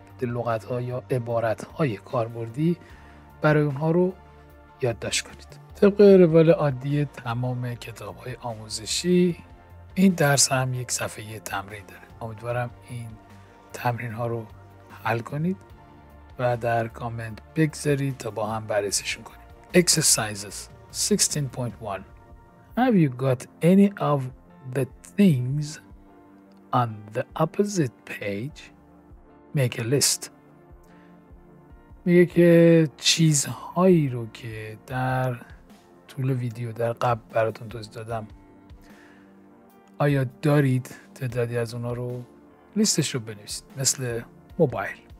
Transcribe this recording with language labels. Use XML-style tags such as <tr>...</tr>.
<fa>لغتها یا عبارتهای کاربردی برای اونها رو یادداشت کنید. طبق روال عادی تمام کتاب‌های آموزشی این درس هم یک صفحه تمرین داره. امیدوارم این تمرین‌ها رو حل کنید و در کامنت بگذارید تا با هم بررسیشون کنیم.</fa> <en>Exercises 16.1 Have you got any of the things on the opposite page? Make a list.</en> <fa>میگه که چیزهایی رو که در طول ویدیو در قبل براتون توضیح دادم آیا دارید؟ تعدادی از اونا رو لیستش رو بنویسید، مثل موبایل.</fa>